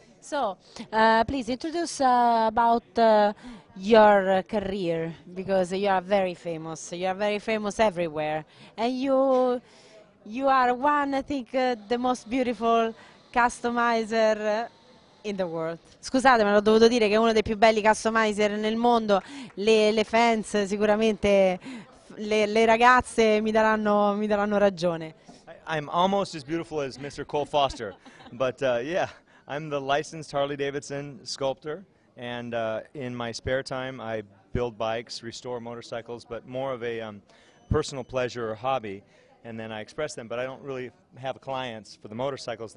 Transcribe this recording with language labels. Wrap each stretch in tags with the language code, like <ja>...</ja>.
<en>So, please introduce about your career, because you are very famous. You are very famous everywhere. And you are one, I think, the most beautiful customizer in the world.</en> <it>Scusate, ma l'ho dovuto dire che è uno dei più belli customizer nel mondo. Le fans sicuramente, le ragazze mi daranno ragione.</it> <en>I'm almost as beautiful as Mr. Cole Foster, but yeah, I'm the licensed Harley-Davidson sculptor, and in my spare time I build bikes, restore motorcycles, but more of a personal pleasure or hobby. And then I express them, but I don't really have clients for the motorcycles.</en>